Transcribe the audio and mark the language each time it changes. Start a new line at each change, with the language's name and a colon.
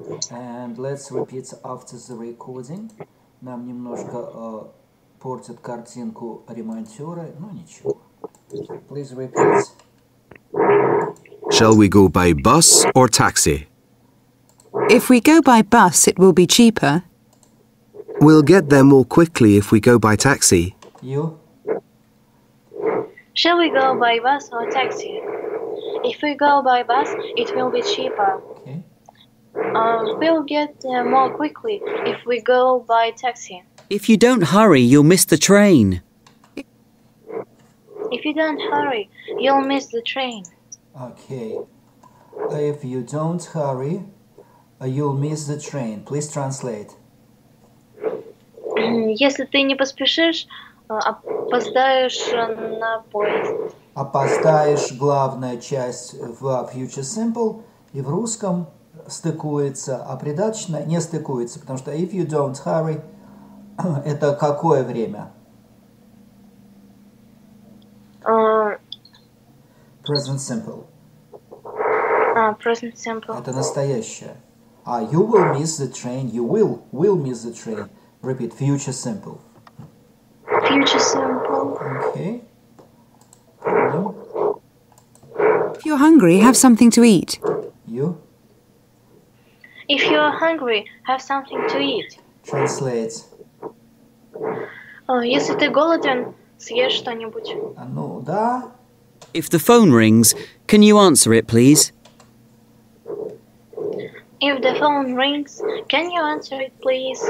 English: And let's repeat after the recording.
Russian: Нам немножко портят картинку ремонтёры, но ничего.
English: Please repeat. Shall we go by bus or taxi? If we go by bus, it will be cheaper. We'll get there more quickly if we go by taxi. You? Shall we go by bus or taxi? If we go by bus, it will be cheaper. Okay. We'll get there more quickly if we go by taxi. If you don't hurry, you'll miss the train. If you don't hurry, you'll miss the train. Okay. If you don't hurry, you'll miss the train. Please translate.
Russian: Если ты не поспешишь, опоздаешь на поезд. Опоздаешь – главная часть в Future Simple, и в русском стыкуется, а придаточное не стыкуется, потому что
English: if you don't hurry
Russian: – это какое время?
English: Present Simple. Present Simple.
Russian: Это настоящее.
English: You will miss the train, you will miss the train. Repeat, Future Simple. Future Simple. Okay. If you're hungry, have something to eat. You? If you're hungry, have something to eat. Translate.
Russian: Если ты голоден, съешь что-нибудь. Ну, да.
English: If the phone rings, can you answer it, please? If the phone rings, can you answer it, please?